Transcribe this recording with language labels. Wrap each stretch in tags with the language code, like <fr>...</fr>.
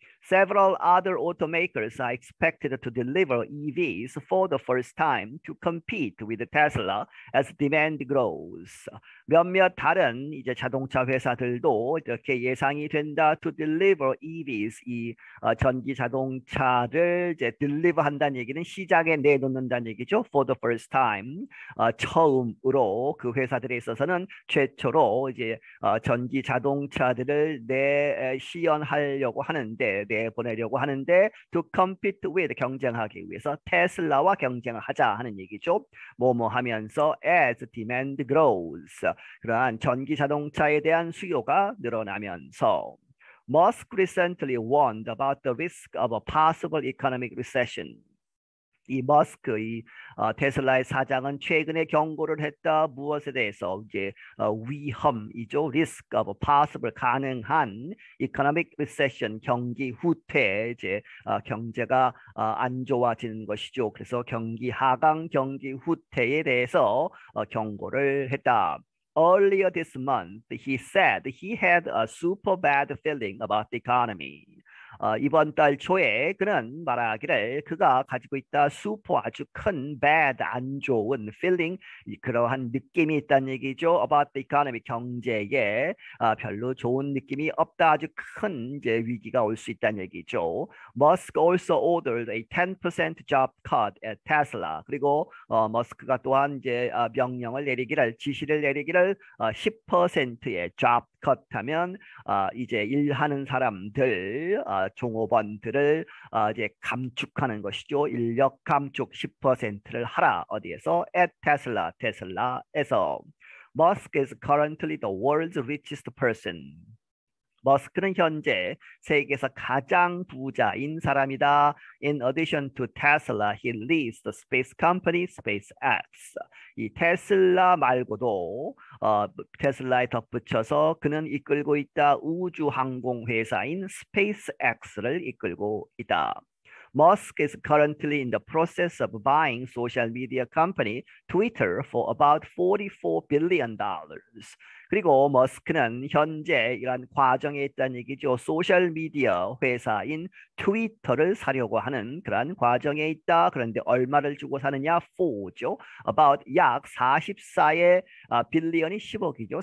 <en>Several other automakers are expected to deliver EVs for the first time to compete with Tesla as demand grows.</en> <ko>몇몇 다른 이제 자동차 회사들도 이렇게 예상이 된다.</ko> <en>To deliver EVs,</en> <ko>이 전기 자동차를 이제 deliver 한다는 얘기는 시장에 내놓는다는 얘기죠.</ko> <en>For the first time,</en> <ko>처음으로 그 회사들에 있어서는 최초로 이제 전기 자동차들을 내 시연하려고 하는데 내보내려고 하는데</ko> <en>to compete with</en> <ko>경쟁하기 위해서 테슬라와 경쟁을 하자 하는 얘기죠. 뭐뭐 하면서</ko> <en>as demand grows.</en> <ko>그러한 전기 자동차에 대한 수요가 늘어나면서</ko> <en>Musk recently warned about the risk of a possible economic recession.</en> <ko>이 머스크의 테슬라의 사장은 최근에 경고를 했다. 무엇에 대해서? 이제 위험이죠.</ko> <en>Risk of a possible</en> <ko>가능한</ko> <en>economic recession</en> <ko>경기 후퇴. 이제 경제가 안 좋아지는 것이죠. 그래서 경기 하강, 경기 후퇴에 대해서 경고를 했다.</ko> <en>Earlier this month, he said he had a super bad feeling about the economy.</en> <ko>이번 달 초에 그는 말하기를 그가 가지고 있다. super 아주 큰 bad 안 좋은 feeling 그러한 느낌이 있다는 얘기죠.</ko> <en>about the economy</en> <ko>경제에 별로 좋은 느낌이 없다. 아주 큰 이제 위기가 올수 있다는 얘기죠.</ko> <en>Musk also ordered a 10% job cut at Tesla.</en> <ko>그리고 머스크가 또한 이제 명령을 내리기를 지시를 내리기를 10%의 job 컷하면 이제 일하는 사람들 종업원들을 이제 감축하는 것이죠. 인력 감축 10%를 하라. 어디에서?</ko> <en>At Tesla,</en> <ko>테슬라에서.</ko> <en>Musk is currently the world's richest person.</en> <ko>머스크는 현재 세계에서 가장 부자인 사람이다.</ko> <en>In addition to Tesla, he leads the space company SpaceX.</en> <ko>이 테슬라 말고도 테슬라에 덧붙여서 그는 이끌고 있다. 우주 항공 회사인 SpaceX를 이끌고 있다.</ko> <en>Musk is currently in the process of buying social media company Twitter for about $44 billion.</en> <ko>그리고 머스크는 현재 이런 과정에 있다는 얘기죠. 소셜 미디어 회사인 트위터를 사려고 하는 그런 과정에 있다. 그런데 얼마를 주고 사느냐? 4죠. About 약 44의 빌리언이 10억이죠.</ko>